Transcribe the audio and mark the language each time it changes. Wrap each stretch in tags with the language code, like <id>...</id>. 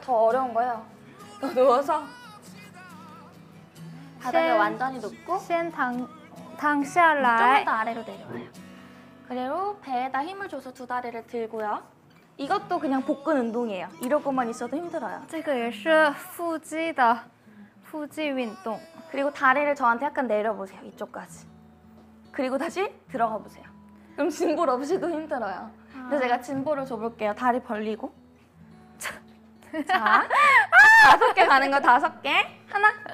<ko>더 어려운 거예요. 더 누워서 바닥에 완전히 눕고</ko> <zh>先躺下来</zh> <ko>조금 더 아래로 내려와요. 그리고 배에다 힘을 줘서 두 다리를 들고요. 이것도 그냥 복근 운동이에요. 이러고만 있어도 힘들어요.</ko> <zh>这个也是腹肌的腹肌运动.</zh> <ko>그리고 다리를 저한테 약간 내려보세요. 이쪽까지. 그리고 다시 들어가 보세요. 그럼 짐볼 없이도 힘들어요. 근데 제가 짐볼을 줘볼게요. 다리 벌리고. 자, 자. 다섯 개 가는 거 다섯 개. 하나.</ko>